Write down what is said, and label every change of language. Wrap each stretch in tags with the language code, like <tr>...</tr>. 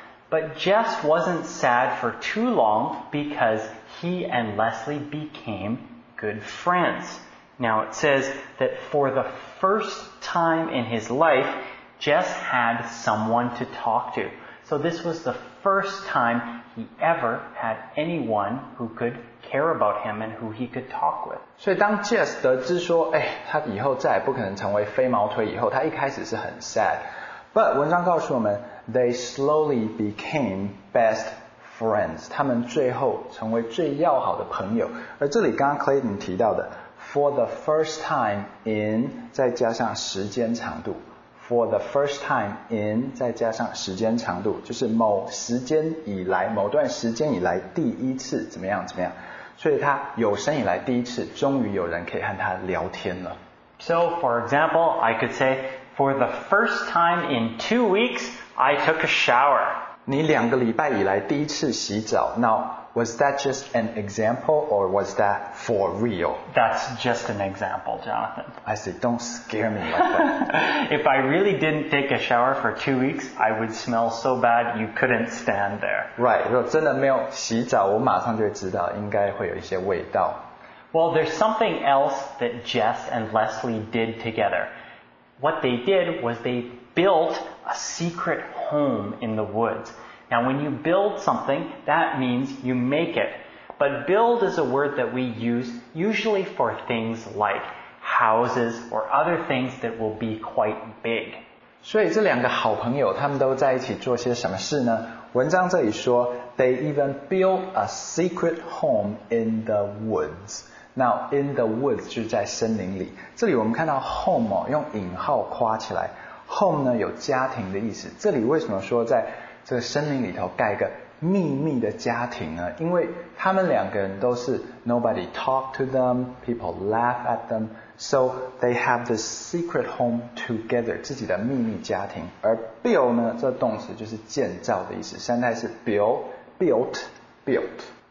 <en>But Jess wasn't sad for too long because he and Leslie became good friends. Now it says that for the first time in his life, Jess had someone to talk to. So this was the first time he ever had anyone who could care about him and who he could talk with.</en> <zh>所以当 Jess 得知说、哎、他以后再也不可能成为飞毛腿以后他一开始是很 sad.</zh> <en>But</en> <zh>文章告诉我们</zh> <en>they slowly became best friends.</en> <zh>他们最后成为最要好的朋友。而这里刚刚 Clayton 提到的 for the first time in 再加上时间长度。 For the first time in, 再加上时间长度，就是某时间以来，某段时间以来第一次怎么样怎么样。所以他有生以来第一次，终于有人可以和他聊天了。</zh> <en>So, for example, I could say, for the first time in 2 weeks, I took a shower.</en> <zh>你两个礼拜以来第一次洗澡。</zh> <en>Now, was that just an example or was that for real? That's just an example, Jonathan. I say, don't scare me like that. If I really didn't take a shower for 2 weeks, I would smell so bad you couldn't stand there. Right,</en> <zh>如果真的没有洗澡，我马上就知道应该会有一些味道。</zh> <en>Well, there's something else that Jess and Leslie did together. What they did was they built a secret home in the woods. Now, when you build something, that means you make it. But build is a word that we use usually for things like houses or other things that will be quite big.</en> <zh>所以这两个好朋友他们都在一起做些什么事呢？文章这里说</zh> <en>they even built a secret home in the woods. Now, in the woods,</en> <zh>就在森林里。这里我们看到 home 哦，用引号夸起来。 Home 呢，有家庭的意思。这里为什么说在这个森林里头盖一个秘密的家庭呢？因为他们两个人都是</zh> <en>nobody talk to them, people laugh at them, so they have this secret home together,</en> <zh>自己的秘密家庭。而 build 呢，这动词就是建造的意思。现在是 build, built, built。</zh>